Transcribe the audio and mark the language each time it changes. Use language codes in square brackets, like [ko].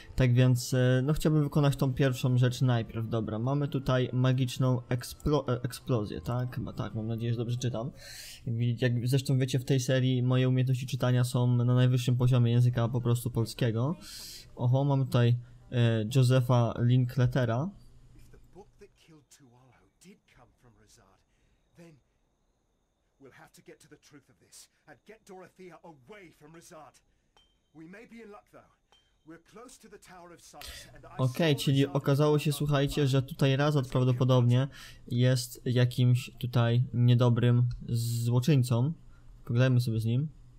[pl] Tak więc no chciałbym wykonać tą pierwszą rzecz najpierw. Dobra, mamy tutaj magiczną eksplozję, tak? Chyba tak, mam nadzieję, że dobrze czytam. Jak zresztą wiecie, w tej serii moje umiejętności czytania są na najwyższym poziomie języka po prostu polskiego. Oho, mamy tutaj Josepha Linkletera. [en] If the book that killed Tuolo did come from Rezard, then we'll have to get to the truth of this and get Dorothea away from Rezard. We may be in luck though. We're close to the Tower of Solace. [pl] Okej, czyli okazało się, słuchajcie, że tutaj Rezard prawdopodobnie jest jakimś tutaj niedobrym złoczyńcą. Pogadajmy sobie z nim.